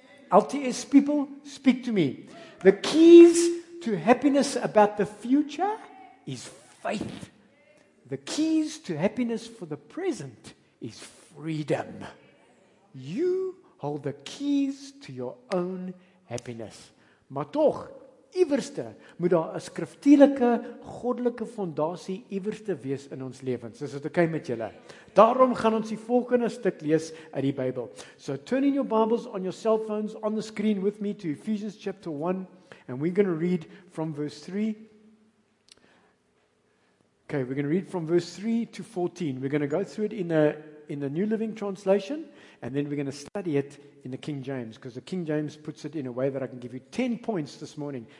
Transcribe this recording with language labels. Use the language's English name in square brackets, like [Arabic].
[English] LTS people, speak to me. The keys to happiness about the future is faith. The keys to happiness for the present is freedom. You hold the keys to your own happiness. [Afrikaans] Maar toch, iewerste, moet daar 'n skriftuurlike, goddelike fondasie iewerste wees in ons lewens. Is dit oké met julle? Daarom gaan ons die volgende stuk lees uit die Bybel. [English] So turn in your Bibles on your cell phones on the screen with me to Ephesians chapter 1 and we're going to read from verse 3. Okay, we're going to read from verse 3 to 14. We're going to go through it in the New Living Translation and then we're going to study it in the King James because the King James puts it in a way that I can give you 10 points this morning.